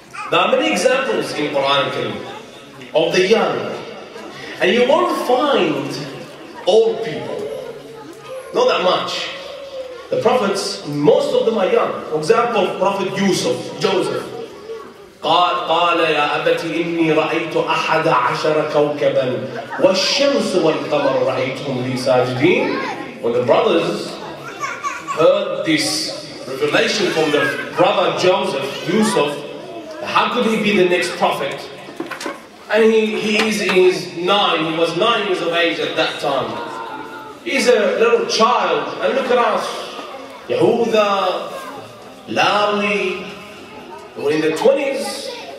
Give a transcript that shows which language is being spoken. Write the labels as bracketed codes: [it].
[en] There are many examples in Quran al-Kareem of the young. And you won't find old people. Not that much. The prophets, most of them are young. For example, Prophet Yusuf, Joseph. [ar] قال يا أبت إني رأيت أحد عشر كوكبا والشمس والقمر رأيتهم لي ساجدين. [en] When the brothers heard this revelation from their brother Joseph, Yusuf, how could he be the next prophet? And he was nine years of age at that time. He's a little child, and look at us. Yehuda, Lali, were in the 20s.